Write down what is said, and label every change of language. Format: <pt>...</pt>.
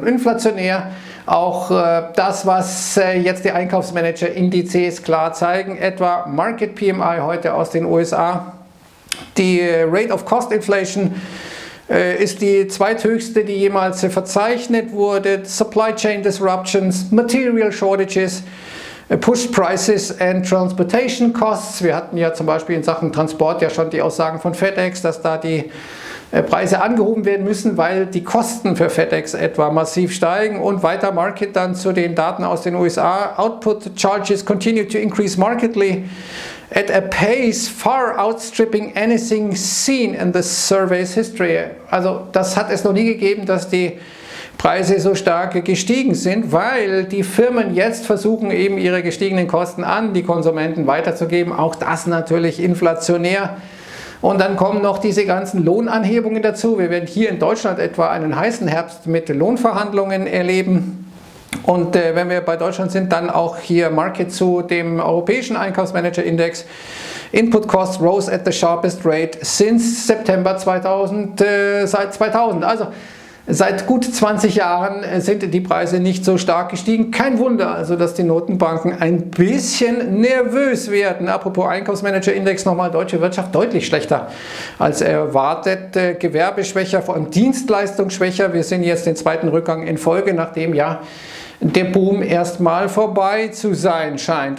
<de>Und inflationär auch das, was jetzt die Einkaufsmanager-Indizes klar zeigen, etwa Market PMI heute aus den USA. Die</de> <en>Rate of Cost Inflation</en> <de>ist die zweithöchste, die jemals verzeichnet wurde.</de> <en>Supply Chain Disruptions, Material Shortages, Push Prices and Transportation Costs.</en> <de>Wir hatten ja zum Beispiel in Sachen Transport ja schon die Aussagen von FedEx, dass da die Preise angehoben werden müssen, weil die Kosten für FedEx etwa massiv steigen. Und weiter Market dann zu den Daten aus den USA.</de> <en>Output Charges continue to increase markedly at a pace far outstripping anything seen in the survey's history.</en> <de>Also das hat es noch nie gegeben, dass die Preise so stark gestiegen sind, weil die Firmen jetzt versuchen, eben ihre gestiegenen Kosten an die Konsumenten weiterzugeben. Auch das natürlich inflationär. Und dann kommen noch diese ganzen Lohnanhebungen dazu. Wir werden hier in Deutschland etwa einen heißen Herbst mit Lohnverhandlungen erleben. Und wenn wir bei Deutschland sind, dann auch hier Market zu dem europäischen Einkaufsmanager-Index.</de> <en>Input costs rose at the sharpest rate since September 2000.</en> <de>Also Seit gut 20 Jahren sind die Preise nicht so stark gestiegen. Kein Wunder also, dass die Notenbanken ein bisschen nervös werden. Apropos Einkaufsmanager-Index, nochmal deutsche Wirtschaft deutlich schlechter als erwartet. Gewerbe schwächer, vor allem Dienstleistung schwächer. Wir sehen jetzt den zweiten Rückgang in Folge, nachdem ja der Boom erstmal vorbei zu sein scheint.</de>